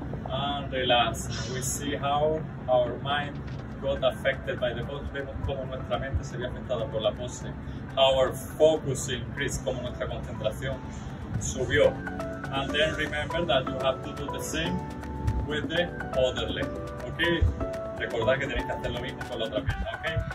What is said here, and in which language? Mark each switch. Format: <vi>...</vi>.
<en>And relax, we see how our mind got affected by the pose.</en> <es>Vemos como nuestra mente se ve afectada por la pose.</es> <en>Our focus increased,</en> <es>como nuestra concentración subió.</es> <en>And then remember that you have to do the same with the other leg, okay?</en> <es>Recordad que tenéis que hacer lo mismo con la otra pierna, okay?</es>